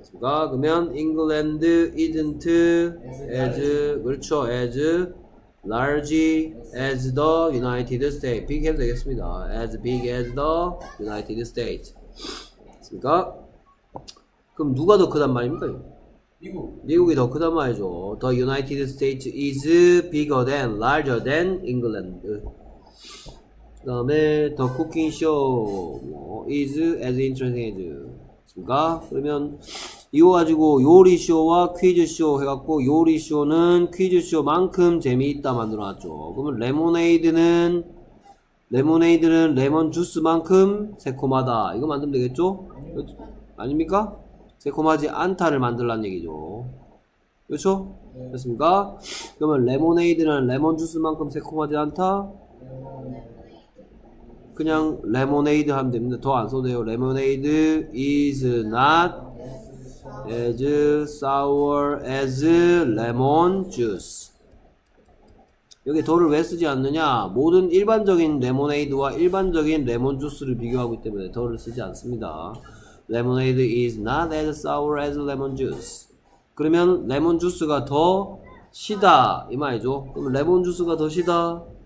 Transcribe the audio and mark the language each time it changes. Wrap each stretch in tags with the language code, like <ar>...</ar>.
<ko>그러면</ko> <en>England isn't as</en> <ko>그렇죠</ko> <en>as large as the United States. Big</en> <ko>해도 되겠습니다.</ko> <en>As big as the United States.</en> <ko>그러니까 그럼 누가 더 크단 말입니까? 미국. 미국이 더 크단 말이죠.</ko> <en>The United States is bigger than larger than England.</en> <ko>그다음에</ko> <en>The cooking show is as interesting as.</en> <ko>그러니까 그러면 이거 가지고 요리쇼와 퀴즈쇼 해갖고 요리쇼는 퀴즈쇼만큼 재미있다 만들어놨죠. 그러면 레모네이드는 레몬주스만큼 새콤하다. 이거 만들면 되겠죠? 그렇죠? 아닙니까? 새콤하지 않다를 만들란 얘기죠. 그렇죠? 됐습니까? 그러면 레모네이드는 레몬주스만큼 새콤하지 않다? 그냥 레모네이드 하면 됩니다. 더 안 써도 돼요.</ko> <en>레모네이드 is not as sour as lemon juice.</en> <ko>여기 더를 왜 쓰지 않느냐? 모든 일반적인 레모네이드와 일반적인 레몬 주스를 비교하기 때문에 더를 쓰지 않습니다.</ko> <en>Lemonade is not as sour as lemon juice.</en> <ko>그러면 레몬 주스가 더 시다 이 말이죠. 그럼 레몬 주스가 더 시다.</ko>